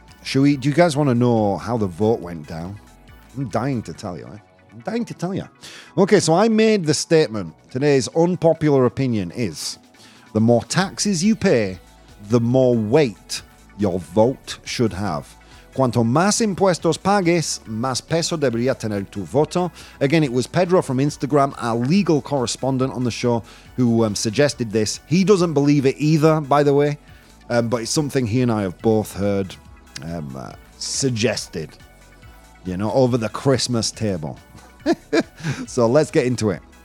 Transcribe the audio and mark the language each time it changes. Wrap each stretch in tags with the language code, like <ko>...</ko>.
<en>Do you guys want to know how the vote went down? I'm dying to tell you. Okay, so I made the statement. Today's unpopular opinion is the more taxes you pay, the more weight your vote should have.</en> <es>Cuanto más impuestos pagues, más peso debería tener tu voto.</es> <en>Again, it was Pedro from Instagram, our legal correspondent on the show, who suggested this. He doesn't believe it either, by the way, but it's something he and I have both heard suggested, you know, over the Christmas table. So let's get into it.</en>